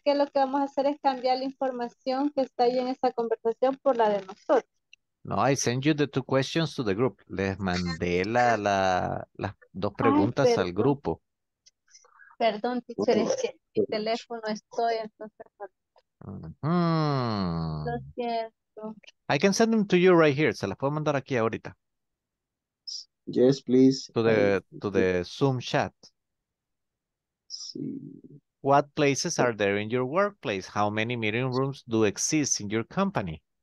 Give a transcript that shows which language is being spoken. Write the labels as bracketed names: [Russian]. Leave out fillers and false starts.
[Spanish] Que lo que vamos a hacer es cambiar la información que está ahí en esta conversación por la de nosotros. [English] No, I sent you the two questions to the group. [Spanish] Les mandé las dos preguntas al grupo. Perdón, teacher, es que mi teléfono estoy, entonces. Lo siento. [English] I can send them to you right here. [Spanish] Se las puedo mandar aquí ahorita. [English] Yes, please. To the Zoom chat. [Spanish] Sí. [English] What places are there in your workplace? How many meeting rooms do exist in your company?